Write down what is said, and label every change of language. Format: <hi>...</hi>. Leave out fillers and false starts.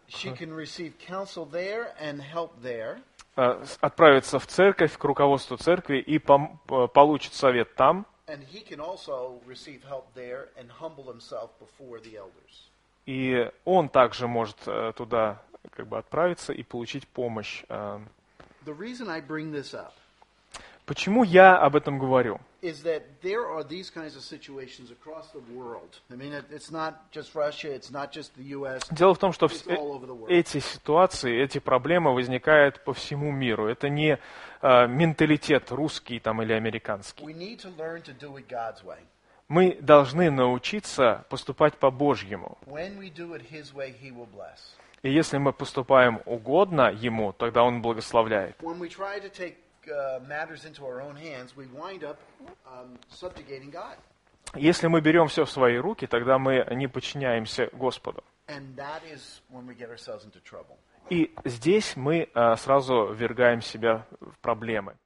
<en>She can receive counsel there and help there.</en> <ru>отправится в церковь, к руководству церкви и получит совет там.</ru> <en>And he can also receive help there and humble himself before the elders.</en> <ru>И он также может туда как бы отправиться и получить помощь.</ru> <en>The reason I bring this up,</en> <ru>почему я об этом говорю?</ru> <en>Is that there are these kinds of situations across the world. I mean, it's not just Russia, it's not just the US.</en> <ru>Дело в том, что эти ситуации, эти проблемы возникают по всему миру. Это не менталитет русский там или американский.</ru> <en>We need to learn to do it God's way.</en> <ru>Мы должны научиться поступать по-божьему.</ru> <en>When we do it His way, He will bless.</en> <ru>И если мы поступаем угодно Ему, тогда Он благословляет.</ru> <en>When we try to take matters into our own hands, we wind up subjugating God.</en> <ru>Если мы берем все в свои руки, тогда мы не подчиняемся Господу.</ru> <en>And that is when we get ourselves into trouble.</en> <ru>И здесь мы сразу ввергаем себя в проблемы.</ru>